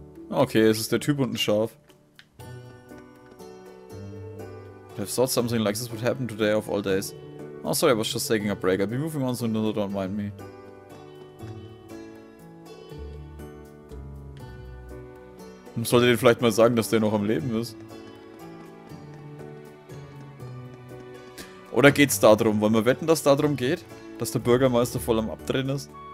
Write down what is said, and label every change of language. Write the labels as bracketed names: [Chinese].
[German] Okay, es ist der Typ und ein Schaf. [English] I thought something like this would happen today of all days. Oh, sorry, I was just taking a break. I'll be moving on, so no, don't mind me. [German] Sollte den vielleicht mal sagen, dass der noch am Leben ist. Oder geht's darum? Wollen wir wetten, dass es darum geht? Dass der Bürgermeister voll am Abdrehen ist?